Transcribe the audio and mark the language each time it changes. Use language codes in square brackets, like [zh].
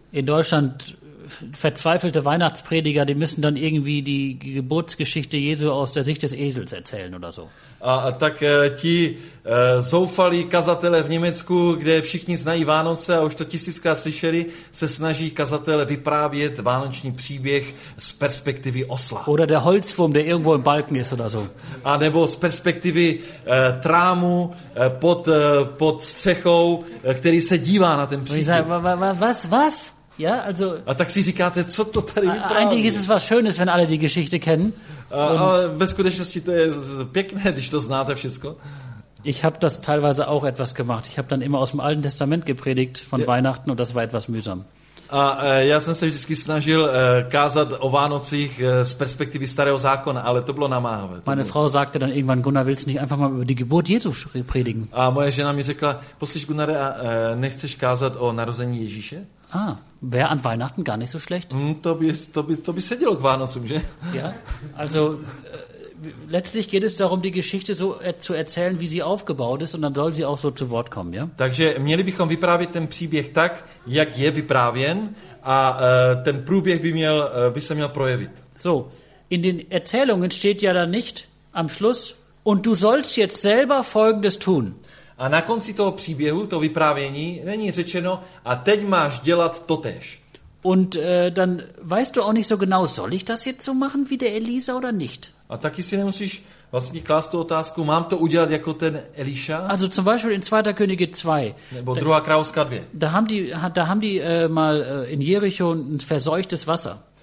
[de] In Deutschland verzweifelte Weihnachtsprediger, die müssen dann irgendwie die Geburtsgeschichte Jesu aus der Sicht des Esels erzählen oder so. [cs] A tak ti zoufalí kazatele v Německu, kde všichni znají Vánoce a už to tisíckrát slyšeli, se snaží kazatele vyprávět vánoční příběh z perspektivy osla. [de] Oder der Holzwurm, der irgendwo im Balken ist oder so. [cs] A nebo z perspektivy trámu pod střechou, který se dívá na ten příběh. [de] Was? Ja, also, [cs] a tak si říkáte, co to tady vypráví? [de] Eigentlich ist es was Schönes, wenn alle die Geschichte kennen. [cs] Ale ve skutečnosti to je pěkné, když to znáte všecko. [de] Ich habe das teilweise auch etwas gemacht. Ich habe dann immer aus dem Alten Testament gepredigt von Weihnachten und das war etwas mühsam. [cs] A já jsem se vždycky snažil kázat o Vánocích z perspektivy Starého zákona, ale to bylo namáhavé. [de] Meine Frau sagte dann irgendwann, Gunnar, willst du nicht einfach mal über die Geburt Jesu predigen? [cs] A moje žena mi řekla, poslíš Gunnare, nechceš kázat o narození Ježíše? [de] Ah, wäre an Weihnachten gar nicht so schlecht. [cs] To by sedělo k Vánocům, že? [de] Ja, also letztlich geht es darum, die Geschichte so zu erzählen, wie sie aufgebaut ist und dann soll sie auch so zu Wort kommen, ja? [cs] Takže měli bychom vyprávět ten příběh tak, jak je vyprávěn a ten průběh by se měl projevit. [de] So, in den Erzählungen steht ja dann nicht am Schluss und du sollst jetzt selber Folgendes tun. [cs] A na konci toho příběhu, toho vyprávění, není řečeno, a teď máš dělat totéž. [de] Und dann weißt du auch nicht so genau, soll ich das jetzt so machen wie der Elisa oder nicht? [cs] A taky si nemusíš vlastně klást tu otázku, mám to udělat jako ten Eliša? [de] Also zum Beispiel in 2. Könige 2. [cs] Nebo druhá královská 2. [de] Da haben die mal in Jericho ein verseuchtes Wasser.